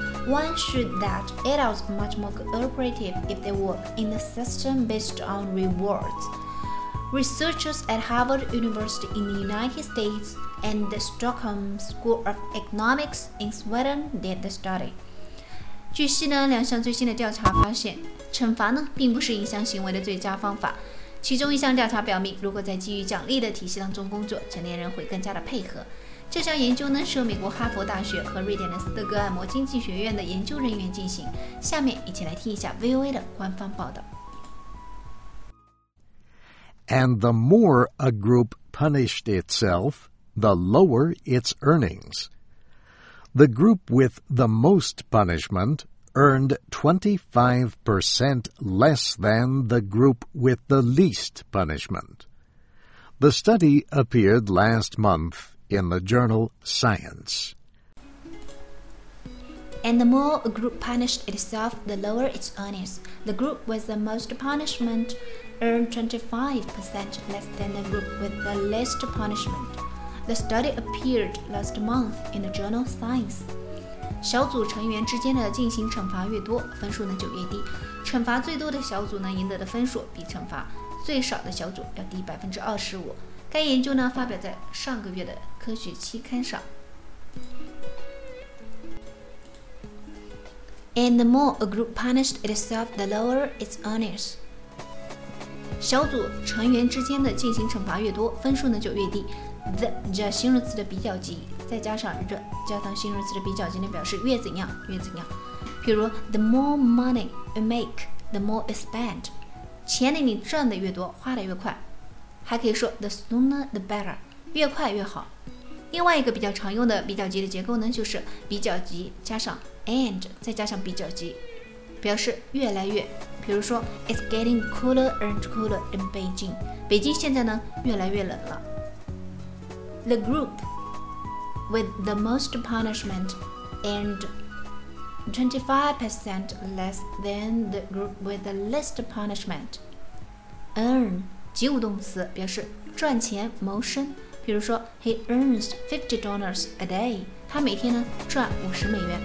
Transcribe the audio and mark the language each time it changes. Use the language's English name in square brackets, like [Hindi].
[English] One showed that adults are much more cooperative if they work in a system based on rewards. Researchers at Harvard University in the United States and the Stockholm School of Economics in Sweden did the study. [Chinese] 据悉呢，两项最新的调查发现，惩罚呢并不是一项行为的最佳方法。其中一项调查表明，如果在基于奖励的体系当中工作，成年人会更加的配合。这项研究呢是由美国哈佛大学和瑞典的斯德哥尔摩经济学院的研究人员进行。下面一起来听一下 VOA 的官方报道。 [English] And the more a group punished itself, the lower its earnings. The group with the most punishment earned 25% less than the group with the least punishment. The study appeared last month in the journal Science. And the more a group punished itself, the lower its earnings. The group with the most punishment earned 25% less than the group with the least punishment. The study appeared last month in the journal Science. [Chinese] 小组成员之间的进行惩罚越多，分数呢就越低。惩罚最多的小组呢赢得的分数比惩罚最少的小组要低25%。该研究呢发表在上个月的科学期刊上。 [English] And the more a group punished itself, the lower its earnings. [Chinese] 小组成员之间的进行惩罚越多，分数呢就越低。 The 加形容词的比较级，再加上 the 加上形容词的比较级呢，表示越怎样越怎样。比如 [English] ，the more money you make, the more you spend。 [Chinese] 钱你赚的越多，花的越快。还可以说 [English] the sooner the better， [Chinese] 越快越好。另外一个比较常用的比较级的结构呢，就是比较级加上 and 再加上比较级，表示越来越。比如说 [English] ，It's getting cooler and cooler in Beijing. [Chinese] 北京现在呢越来越冷了。 [English] The group with the most punishment earned 25% less than the group with the least punishment. [Chinese] Earn 及物动词表示赚钱谋生。比如说 ， [English] He earns $50 a day. [Chinese] 他每天呢赚$50。